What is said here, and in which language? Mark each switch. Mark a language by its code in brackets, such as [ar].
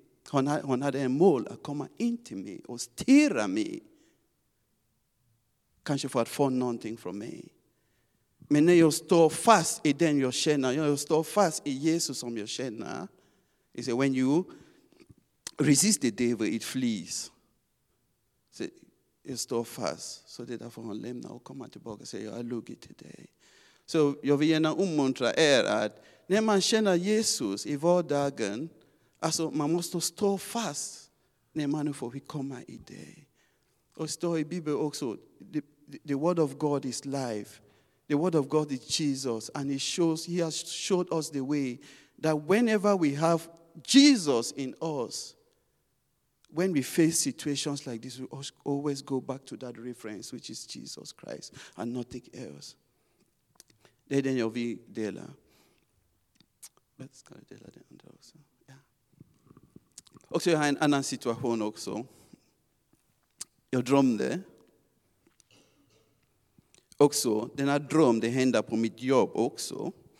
[sv] Hon hade en mål att komma in till mig och stirra mig. Kanske för att få någonting från mig. Men när jag står fast i den jag känner. Jag står fast i Jesus som jag känner. [en] He said, when you resist the devil, it flees. [sv] So, jag står fast. Så det är därför hon lämnar och kommer tillbaka. Säger, jag har lugit till dig. Så jag vill gärna uppmuntra er att när man känner Jesus i vardagen. Alltså man måste stå fast när man får komma i dig. Och står i Bibeln också. [en] The word of God is life. The word of God is Jesus. And he has showed us the way that whenever we have Jesus in us, when we face situations like this, we always go back to that reference, which is Jesus Christ and nothing else. [sv] Det är den jag vill dela. Ska jag dela den andra också? Ja. Också jag har en annan situation också. Jag drömde. Också, den här dröm, det hände på mitt jobb också.